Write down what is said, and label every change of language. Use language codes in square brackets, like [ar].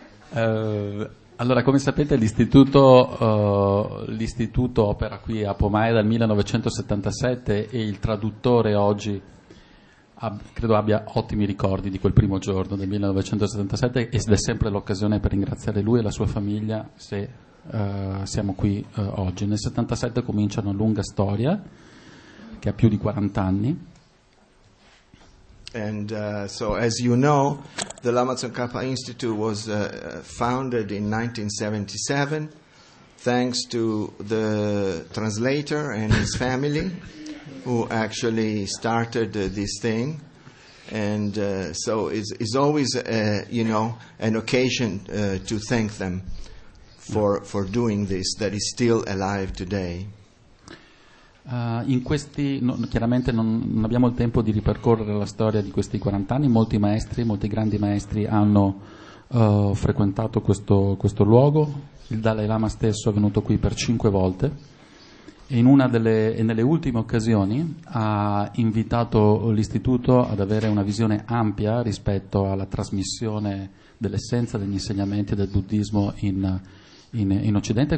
[it] Allora, come sapete, l'istituto opera qui a Pomai dal 1977 e il traduttore oggi credo abbia ottimi ricordi di quel primo giorno del 1977 ed è sempre l'occasione per ringraziare lui e la sua famiglia se siamo qui oggi. Nel 77 comincia una lunga storia che ha più di 40 anni. [en] So, as you know, the Lamazon Kappa Institute was founded in 1977 thanks to the translator and his family who actually started this thing. So, it's always an occasion to thank them for doing this that is still alive today. [it] In questi, no, chiaramente non abbiamo il tempo di ripercorrere la storia di questi 40 anni. Molti maestri, molti grandi maestri hanno frequentato questo luogo. Il Dalai Lama stesso è venuto qui per 5 volte e nelle ultime occasioni ha invitato l'istituto ad avere una visione ampia rispetto alla trasmissione dell'essenza degli insegnamenti del buddismo in Occidente.